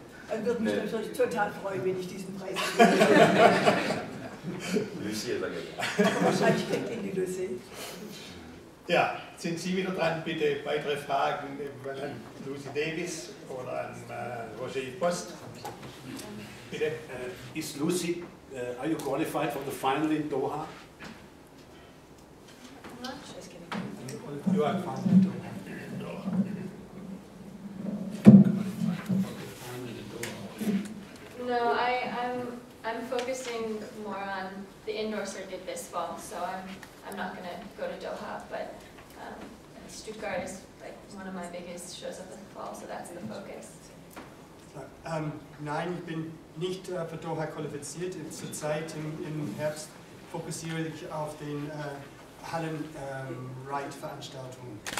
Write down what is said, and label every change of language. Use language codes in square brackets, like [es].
[de] Er würde mich natürlich total freuen, wenn ich diesen Preis gewinne. Lucie hat gewonnen. Wahrscheinlich kennt ihn die Lucie. Ja, sind Sie wieder dran? Bitte weitere Fragen an Lucy Davis oder an Roger Post. Okay. [en] Is Lucy, are you qualified for the final in Doha? Not just kidding. You are qualified in Doha. No, I'm focusing more on the indoor circuit this fall, so I'm not gonna go to Doha, but Stuttgart is like one of my biggest shows of the fall, so that's the focus. [de] Nein, ich bin nicht für Doha qualifiziert. Zurzeit im Herbst fokussiere ich auf den Hallen-Ride-Veranstaltungen.